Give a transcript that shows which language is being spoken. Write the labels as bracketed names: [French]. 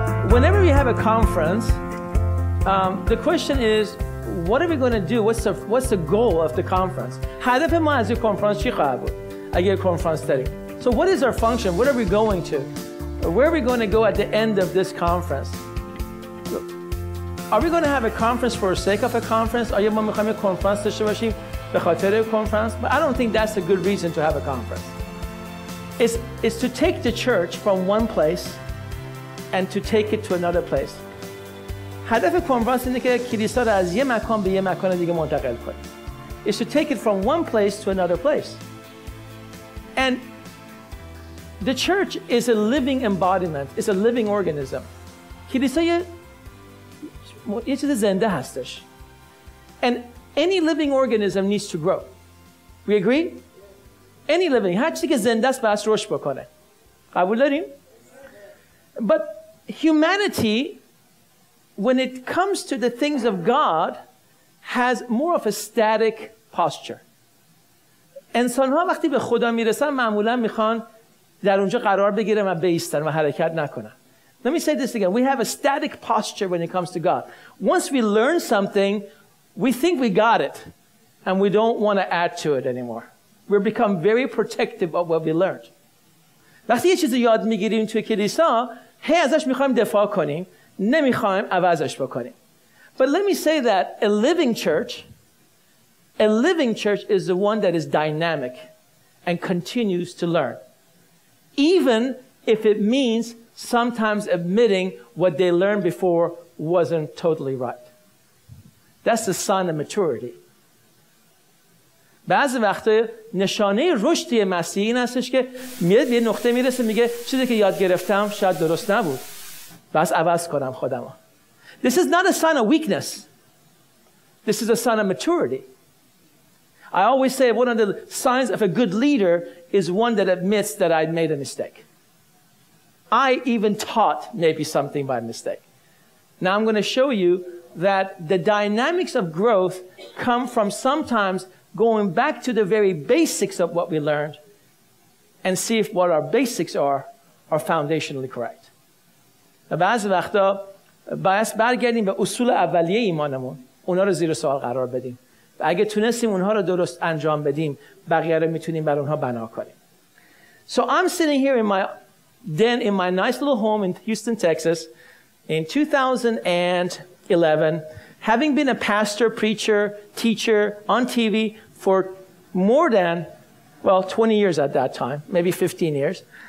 [English] Whenever we have a conference, the question is, what are we going to do? What's the goal of the conference? [Persian] هدف ما از این کنفرانس چی خواهد بود؟ اگر کنفرانس داریم. [English] So what is our function? What are we going to? Where are we going to go at the end of this conference? Are we going to have a conference for the sake of a conference? [Persian] آیا ما میخوایم یک کنفرانس داشته باشیم به خاطر کنفرانس؟ [English] But I don't think that's a good reason to have a conference. It's to take the church from one place and to take it to another place. [Persian] هدف کنفرانس اینه که کلیسا را از یه مکان به یه مکان دیگه منتقل کنه. [English] It's to take it from one place to another place. And the church is a living embodiment. It's a living organism. [Persian] کلیسا یه چیز زنده هستش. [English] And any living organism needs to grow. We agree? Any living. [Persian] هر چیزی که زنده است باید رشد بکنه. قبول داریم؟ [English] But humanity, when it comes to the things of God, has more of a static posture. [Persian] انسان ها وقتی به خدا میرسن معمولا میخوان در اونجا قرار بگیرن و بیستن و حرکت نکنن. [English] Let me say this again. We have a static posture when it comes to God. Once we learn something, we think we got it, and we don't want to add to it anymore. We become very protective of what we learned. [Persian] وقتی یه چیزی یاد میگیریم توی کلیسا، هی ازش میخوایم دفاع کنیم، نمیخوایم عوضش بکنیم. [English] But let me say that a living church is the one that is dynamic and continues to learn. Even if it means sometimes admitting what they learned before wasn't totally right. That's the sign of maturity. [Persian] بعضی وقتا نشانه رشدی مسیحی این هستش که میاد به یه نقطه میرسه میگه چیزی که یاد گرفتم شاید درست نبود. بس عوض کنم خودم. [English] This is not a sign of weakness. This is a sign of maturity. I always say one of the signs of a good leader is one that admits that I made a mistake. I even taught maybe something by mistake. Now I'm going to show you that the dynamics of growth come from sometimes going back to the very basics of what we learned and see if what our basics are foundationally correct. [Persian] بعضی وقتا باید برگردیم به اصول اولیه ایمانمون، اونا رو زیر سوال قرار بدیم. و اگه تونستیم اونها رو درست انجام بدیم، بقیه رو میتونیم بر اونها بنا کنیم. [English] So I'm sitting here in my nice little home in Houston, Texas in 2011, having been a pastor, preacher, teacher on TV for more than, well, 20 years at that time, maybe 15 years.